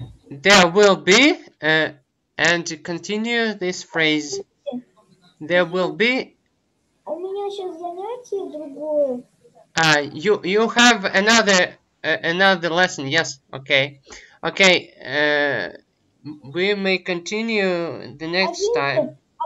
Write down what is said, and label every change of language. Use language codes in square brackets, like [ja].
[en] There will be, and to continue this phrase, there will be. [ru] У меня сейчас занятие другое. [en] You have another lesson. Yes. Okay. Okay. We may continue the next time.